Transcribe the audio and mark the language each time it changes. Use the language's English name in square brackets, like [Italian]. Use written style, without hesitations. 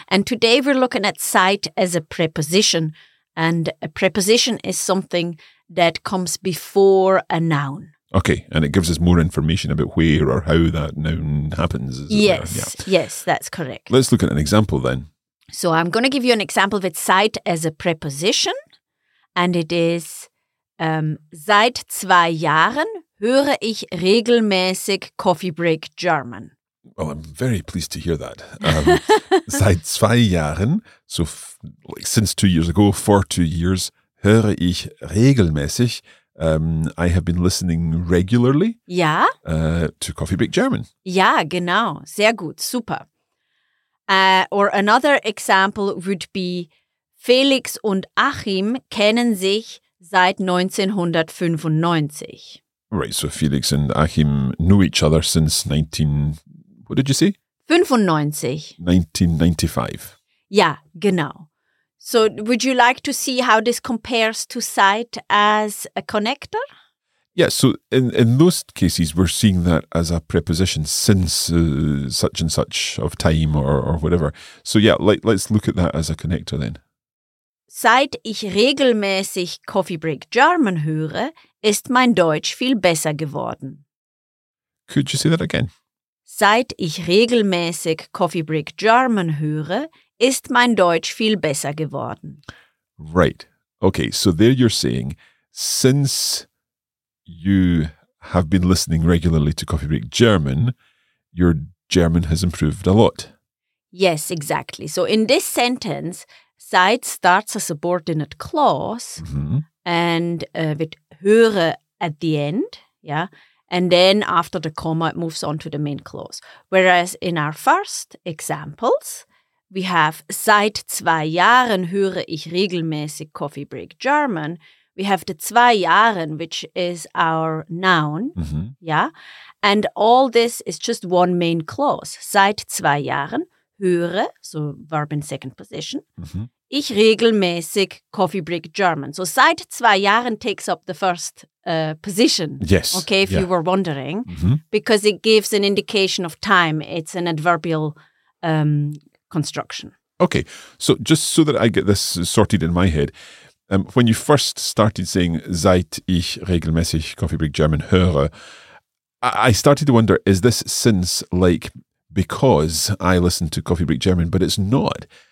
[English] And today we're looking at sight as a preposition. And a preposition is something that comes before a noun. Okay, and it gives us more information about where or how that noun happens. Yes, that's correct. Let's look at an example then. So I'm going to give you an example of it, seit as a preposition, and it is, [German] seit zwei Jahren höre ich regelmäßig Coffee Break German. [English] Well, I'm very pleased to hear that. [German] seit zwei Jahren, [English] so since 2 years ago, for 2 years, [German] höre ich regelmäßig, [English] I have been listening regularly. [German] Ja. [English] To Coffee Break German. [German] Ja, genau. Sehr gut. Super. [English] Or another example would be, [German] Felix und Achim kennen sich seit 1995. [English] Right, so Felix and Achim knew each other since 1995. [German] Ja, genau. [English] So would you like to see how this compares to sight as a connector? Yeah, so in those cases, we're seeing that as a preposition since such and such of time or whatever. So yeah, let's look at that as a connector then. [German] Seit ich regelmäßig Coffee Break German höre, ist mein Deutsch viel besser geworden. [English] Could you say that again? [German] Seit ich regelmäßig Coffee Break German höre, ist mein Deutsch viel besser geworden. [English] Right. Okay, so there you're saying, since you have been listening regularly to Coffee Break German, your German has improved a lot. Yes, exactly. So in this sentence, seit starts a subordinate clause, mm-hmm. and with höre at the end, yeah? And then after the comma, it moves on to the main clause. Whereas in our first examples, we have [German] seit zwei Jahren höre ich regelmäßig Coffee Break German. [English] We have the [German] zwei Jahren, [English] which is our noun. Mm-hmm. Yeah. And all this is just one main clause. [German] Seit zwei Jahren höre, [English] so verb in second position, mm-hmm. [German] ich regelmäßig Coffee Break German. [English] So [German] seit zwei Jahren [English] takes up the first position. Yes. Okay, if you were wondering. Mm-hmm. Because it gives an indication of time. It's an adverbial construction. Okay, so just so that I get this sorted in my head, when you first started saying [German] seit ich regelmäßig Coffee Break German höre, [English] I started to wonder, is this since like because I listen to Coffee Break German? But it's not.